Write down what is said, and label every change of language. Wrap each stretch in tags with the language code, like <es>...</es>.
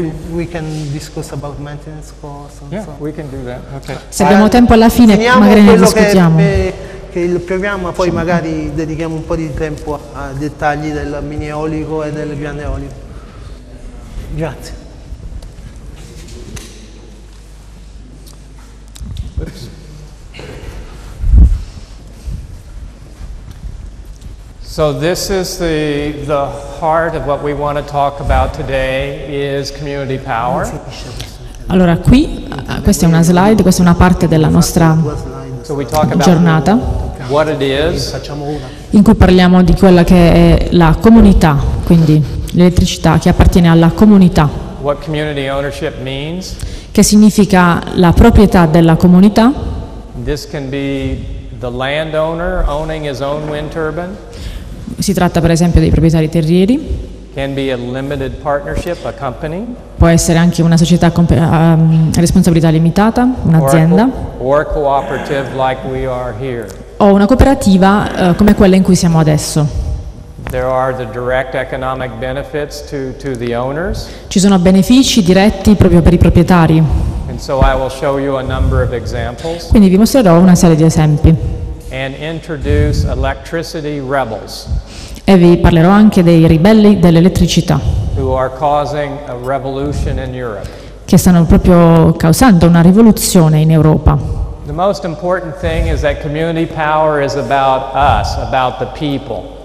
<en>We can discuss about maintenance costs. We can do that. Okay.</en> <it>Se abbiamo tempo alla fine, magari ne discutiamo. Che il programma, poi sì. Magari dedichiamo un po' di tempo a dettagli del mini eolico e del grande eolico. Grazie.</it> <en>So this is the heart of what we want to talk about today is community power.</en> <it>Allora qui questa è una slide, questa è una parte della nostra giornata.</it> <en>What it is.</en> <it>In cui parliamo di quella che è la comunità, quindi l'elettricità che appartiene alla comunità.</it> <en>What community ownership means.</en> <it>Che significa la proprietà della comunità.</it> <en>This can be the landowner owning his own wind turbine.</en> <it>Si tratta per esempio dei proprietari terrieri.</it> <en>Can be a limited partnership, a company.</en> <it>Può essere anche una società a responsabilità limitata, un'azienda.</it> <en>Or a cooperative like we are here.</en> <it>O una cooperativa come quella in cui siamo adesso.</it> <en>There are the direct economic benefits to the owners.</en> <it>Ci sono benefici diretti proprio per i proprietari.</it> <en>And so I will show you a number of examples.</en> <it>Quindi vi mostrerò una serie di esempi.</it> <en>And introduce electricity rebels.</en> <it>E vi parlerò anche dei ribelli dell'elettricità.</it> <en>Who are causing a revolution in Europe.</en> <it>Che stanno proprio causando una rivoluzione in Europa.</it> <en>The most important thing is that community power is about us, about the people.</en>